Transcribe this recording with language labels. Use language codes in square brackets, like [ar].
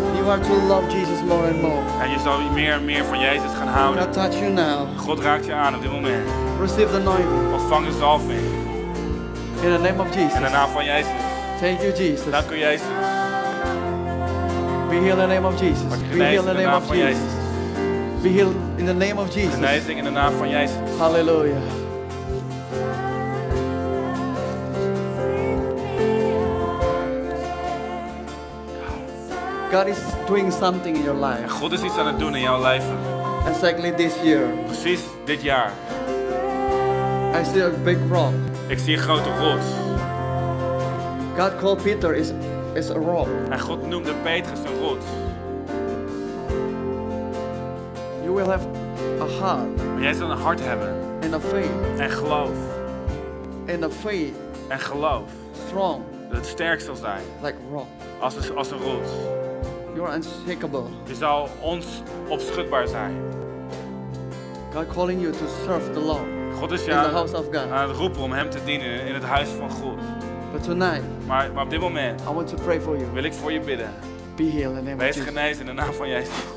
[en] You are to love Jesus more and more. [nl] En je zal meer en meer van Jezus gaan houden. [en] God touch you now. [nl] God raakt je aan op dit moment. [en] Receive the anointing. [nl] Ontvang de zalving. [en] In the name of Jesus. [nl] In de naam van Jezus. [en] Thank you, Jesus. [nl] Dank u, Jezus. [en] Be healed in the name of Jesus. Be healed in the name of Jesus. Be healed in the name of Jesus. [nl] Genezing in de naam van Jezus. [en] Hallelujah. God is doing something in your life. [nl] God is iets aan het doen in jouw leven. [en] Exactly this year. [nl] Precies dit jaar. [en] I see a big rock. [nl] Ik zie een grote rots. [en] God called Peter is a rock. [nl] En God noemde Petrus een rots. [en] You will have a heart. [nl] Maar jij zal een hart hebben. [en] And a faith. [nl] En geloof. [en] And a faith. [nl] En geloof. [en] Strong. [nl] Dat het sterk zal zijn. [en] Like rock. [nl] Als een rots. [en] You are unshakable. [nl] Je zal ons opschudbaar zijn. [en] God calling you to serve the Lord. [nl] God is [en] in the house of God. [nl] Aan het roepen om hem te dienen in het huis van God. [en] But tonight, [nl] maar op dit moment, [en] I want to pray for you. [nl] Wil ik voor je bidden. [en] Be healed in the name [nl] Wees [en] of Jesus. [nl] Wees genezen in de naam van Jezus.